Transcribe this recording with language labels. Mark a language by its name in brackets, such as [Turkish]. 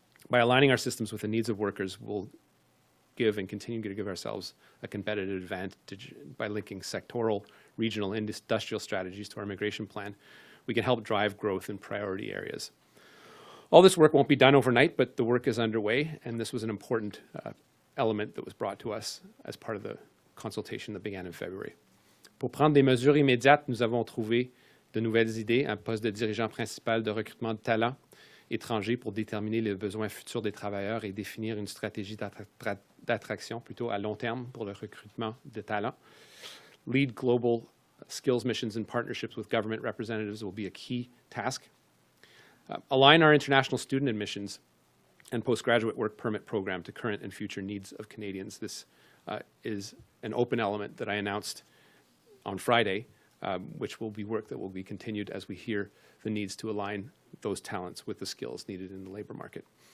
[English] By aligning our systems with the needs of workers, we'll give and continue to give ourselves a competitive advantage by linking sectoral, regional, and industrial strategies to our immigration plan. We can help drive growth in priority areas. All this work won't be done overnight, but the work is underway, and this was an important element that was brought to us as part of the consultation that began in February. [French] Pour prendre des mesures immédiates, nous avons trouvé de nouvelles idées, un poste de dirigeant principal de recrutement de talents étrangers pour déterminer les besoins futurs des travailleurs et définir une stratégie d'attraction plutôt à long terme pour le recrutement de talents. [English] Lead global skills missions and partnerships with government representatives will be a key task. Align our international student admissions and postgraduate work permit program to current and future needs of Canadians. This is an open element that I announced on Friday, which will be work that will be continued as we hear the needs to align those talents with the skills needed in the labor market.